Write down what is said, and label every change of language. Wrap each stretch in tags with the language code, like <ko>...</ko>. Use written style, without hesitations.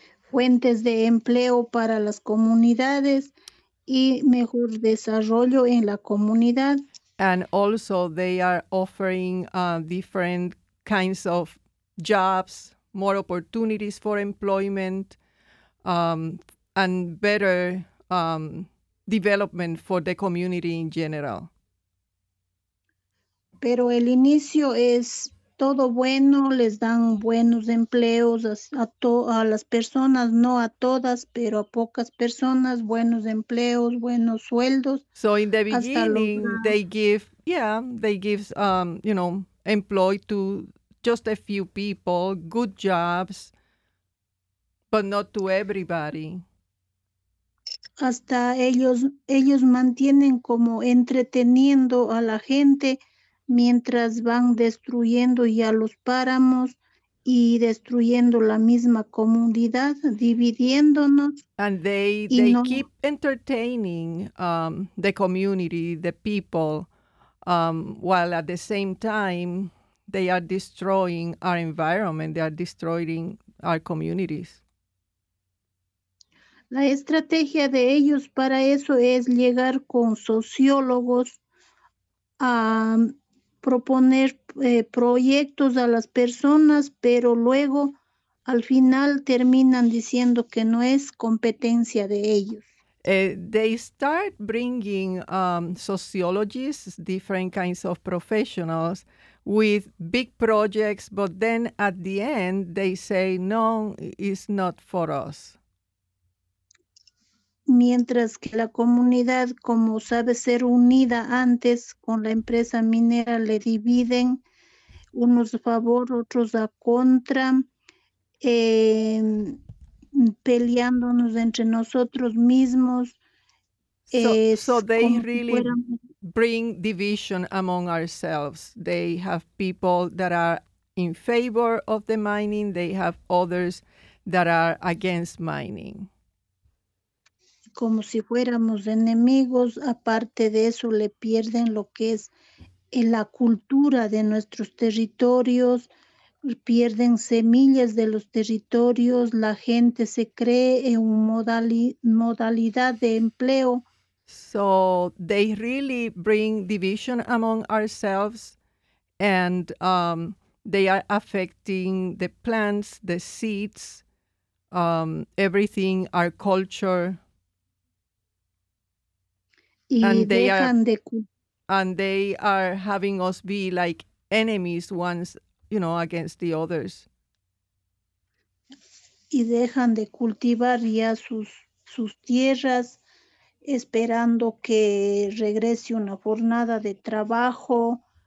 <es>Fuentes de empleo para las comunidades y mejor desarrollo en la comunidad.</es> <en>And also they are offering different kinds of jobs, more opportunities for employment, and better development for the community in general.</en> <es>Pero el inicio es todo bueno, les dan buenos empleos a las personas, no a todas, pero a pocas personas, buenos empleos, buenos sueldos.</es> <en>So in the beginning, they give, you know, employ to just a few people, good jobs, but not to everybody.</en> <es>Hasta ellos mantienen como entreteniendo a la gente mientras van destruyendo ya los páramos y destruyendo la misma comunidad, dividiéndonos.</es> <en>And they keep entertaining the community, the people, while at the same time they are destroying our environment, they are destroying our communities.</en> <es>La estrategia de ellos para eso es llegar con sociólogos a proponer proyectos a las personas, pero luego al final terminan diciendo que no es competencia de ellos.</es> <en>They start bringing sociologists, different kinds of professionals, with big projects, but then at the end they say, no, it's not for us.</en> <es>Mientras que la comunidad, como sabe ser unida antes con la empresa minera, le dividen unos a favor, otros a contra, peleándonos entre nosotros mismos.</es> <en>So they really bring division among ourselves. They have people that are in favor of the mining. They have others that are against mining.</en> <es>Como si fuéramos enemigos, aparte de eso le pierden lo que es la cultura de nuestros territorios, pierden semillas de los territorios, la gente se cree en una modalidad de empleo.</es> <en>So they really bring division among ourselves and they are affecting the plants, the seeds, everything, our culture. And they are having us be like enemies once, you know, against the others.</en> <es>Y dejan de cultivar ya sus tierras, esperando que regrese una jornada de trabajo.</es>